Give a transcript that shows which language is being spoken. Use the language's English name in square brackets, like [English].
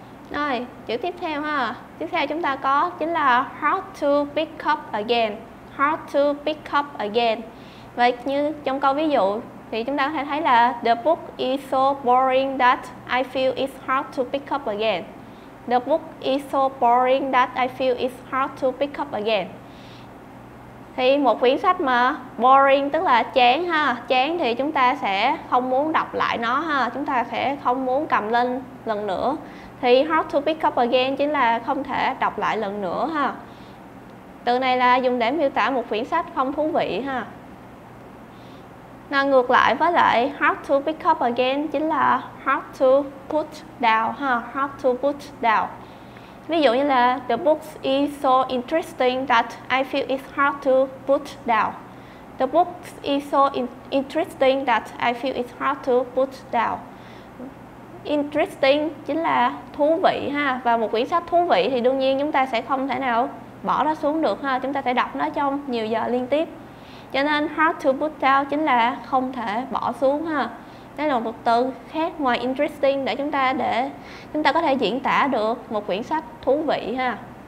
[Vietnamese] Rồi, chữ tiếp theo ha. Tiếp theo chúng ta có chính là [English] how to pick up again. How to pick up again. [Vietnamese] Vậy như trong câu ví dụ thì chúng ta có thể thấy là [English] the book is so boring that I feel it's hard to pick up again. The book is so boring that I feel it's hard to pick up again. [Vietnamese] Thì một quyển sách mà boring tức là chán ha, chán thì chúng ta sẽ không muốn đọc lại nó ha, chúng ta sẽ không muốn cầm lên lần nữa. Thì [English] hard to pick up again [Vietnamese] chính là không thể đọc lại lần nữa ha. Từ này là dùng để miêu tả một quyển sách không thú vị ha. Nó ngược lại với lại [English] hard to pick up again [Vietnamese] chính là [English] hard to put down [Vietnamese] ha, [English] hard to put down. [Vietnamese] Ví dụ như là [English] the book is so interesting that I feel it's hard to put down. The book is so interesting that I feel it's hard to put down. [Vietnamese] Interesting chính là thú vị ha. Và một quyển sách thú vị thì đương nhiên chúng ta sẽ không thể nào bỏ nó xuống được ha. Chúng ta sẽ đọc nó trong nhiều giờ liên tiếp. Cho nên [English] hard to put down [Vietnamese] chính là không thể bỏ xuống ha. Đây là một từ khác ngoài interesting để chúng ta có thể diễn tả được một quyển sách thú vị ha.